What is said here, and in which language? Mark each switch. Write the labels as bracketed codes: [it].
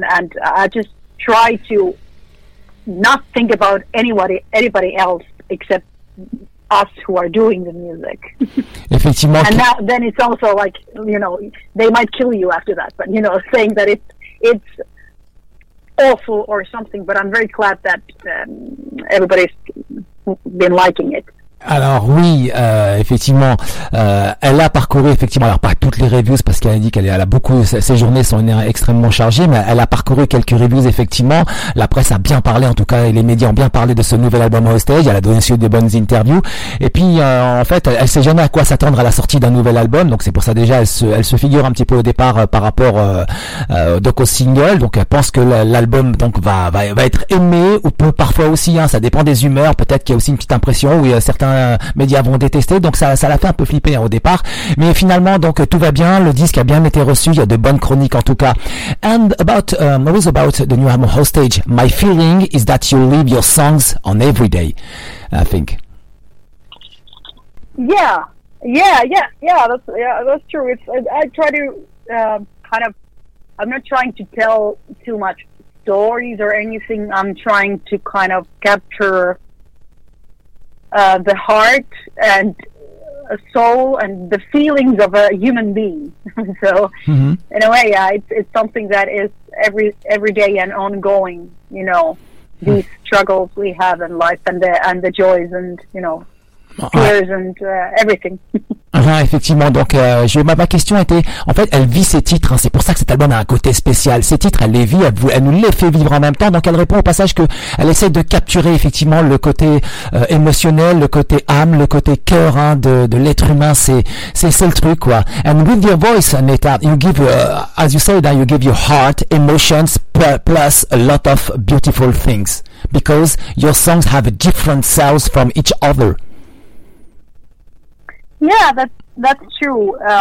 [en] And I just try to not think about anybody else except us who are doing the music. [fr] Effectivement. [en] And that, then it's also like, you know, they might kill you after that, but, you know, saying that it's awful or something, but I'm very glad that everybody's been liking it. [fr] Alors oui, effectivement, elle a parcouru effectivement, alors pas toutes les reviews parce qu'elle a dit qu'elle a beaucoup, ses journées sont extrêmement chargées, mais elle a parcouru quelques reviews effectivement. La presse a bien parlé, en tout cas, et les médias ont bien parlé de ce nouvel album Hostage. Elle a donné aussi des bonnes interviews. Et puis en fait, elle sait jamais à quoi s'attendre à la sortie d'un nouvel album, donc c'est pour ça déjà elle se figure un petit peu au départ par rapport donc au single. Donc elle pense que l'album donc va être aimé ou peu, parfois aussi. Hein, ça dépend des humeurs. Peut-être qu'il y a aussi une petite impression où certains médias vont détester, donc ça l'a fait un peu flipper au départ, mais finalement donc tout va bien, le disque a bien été reçu, il y a de bonnes chroniques en tout cas. [en] And about what was about the new album Hostage, my feeling is that you leave your songs on every day, I think. Yeah, that's true. I try to kind of, I'm not trying to tell too much stories or anything, I'm trying to kind of capture the heart and soul and the feelings of a human being. So, in a way, yeah, it's something that is every day and ongoing. You know, these struggles we have in life and the joys and, you know, fears and everything. [fr] Effectivement, donc ma question était, en fait, elle vit ses titres, hein, c'est pour ça que cet album a un côté spécial, ses titres, elle les vit, elle nous les fait vivre en même temps, donc elle répond au passage qu'elle essaie de capturer effectivement le côté émotionnel, le côté âme, le côté cœur, hein, de l'être humain, c'est le truc, quoi. [en] And with your voice, Nathan, you give, as you said, you give your heart, emotions, plus a lot of beautiful things, because your songs have different sounds from each other. Yeah, that's true.